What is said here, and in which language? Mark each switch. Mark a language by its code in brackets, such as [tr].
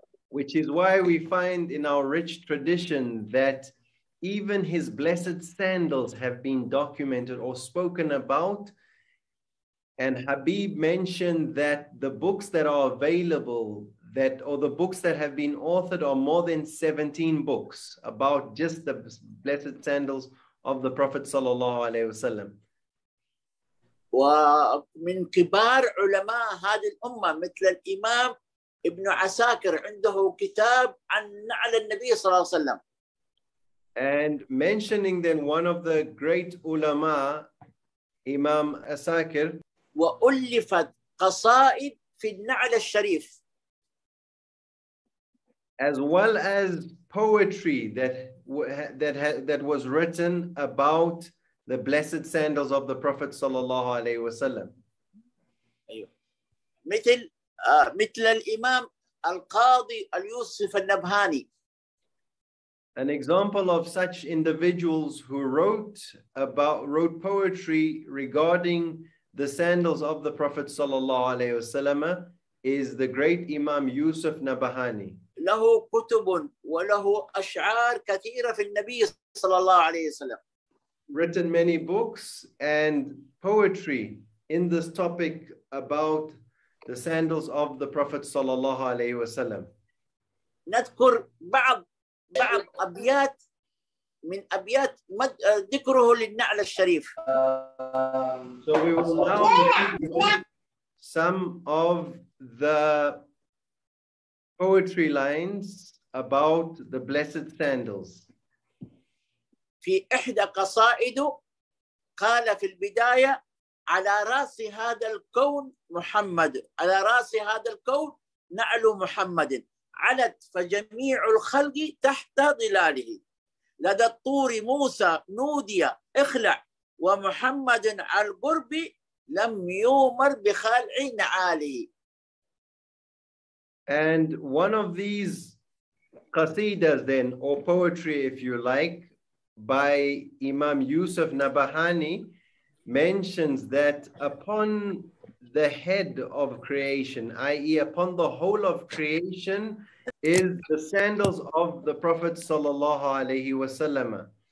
[en] Which is why we find in our rich tradition that even his blessed sandals have been documented or spoken about. And Habib mentioned that the books that are available, that or the books that have been authored, are more than 17 books about just the blessed sandals of the Prophet sallallahu alaihi wasallam. [ar] ومن كبار علماء هذه الأمة مثل الإمام ابن عساكر عنده كتاب عن نعل النبي صلى الله عليه وسلم. [en] And mentioning then one of the great ulama, Imam Asakir. [ar] وألفت قصائد في النعل الشريف. [en] As well as poetry that was written about the blessed sandals of the Prophet sallallahu alaihi wasallam. [ar] مثل الإمام القاضي اليوسف النبهاني. [en] An example of such individuals who wrote poetry regarding the sandals of the Prophet sallallahu alaihi wasallam is the great Imam Yusuf Nabahani. [ar] له كتب وله أشعار كثيرة في النبي صلى الله عليه وسلم. [en] Written many books and poetry in this topic about the sandals of the Prophet sallallahu alaihi wasallam. [ar] نذكر بعض أبيات من أبيات ذكره للنعل الشريف. [en] So we will now read some of the poetry lines about the blessed sandals. [ar] في إحدى قصائده قال في البداية على رأس هذا الكون محمد على رأس هذا الكون نعل محمد علت فجميع الخلق تحت ظلاله لدى الطور موسى نودي اخلع ومحمد على القرب لم يومر بخالع نعاله. [en] And one of these qasidas then, or poetry if you like, by Imam Yusuf Nabahani, mentions that upon the head of creation, i.e. upon the whole of creation, is the sandals of the Prophet sallallahu alaihi wasallam.